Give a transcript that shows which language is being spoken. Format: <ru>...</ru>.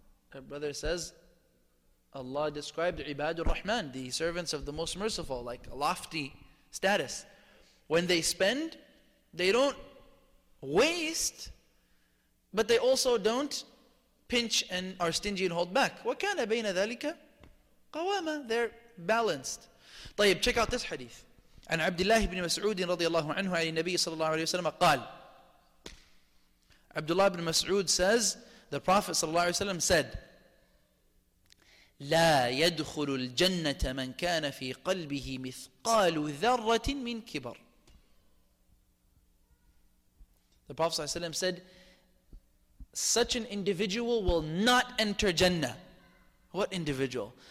<en>Her brother says, Allah described Ibadur Rahman, the servants of the Most Merciful, like a lofty status. When they spend, they don't waste, but they also don't pinch and are stingy and hold back.</en> <ar>وَكَانَ بَيْنَ ذَلِكَ قَوَامًا.</ar> <en>They're balanced.</en> <ar>طيب,</ar> <en>check out this hadith.</en> <ar>عن عبد الله بن مسعود رضي الله عنه عن النبي صلى الله عليه وسلم قال.</ar> <en>Abdullah ibn Mas'ud says, the Prophet sallallahu alayhi wa sallam said,</en> <ar>لا يدخل الجنة من كان في قلبه مثقال ذرة من كبر.</ar> <en>The Prophet sallallahu alayhi wa sallam said, such an individual will not enter Jannah. What individual?</en>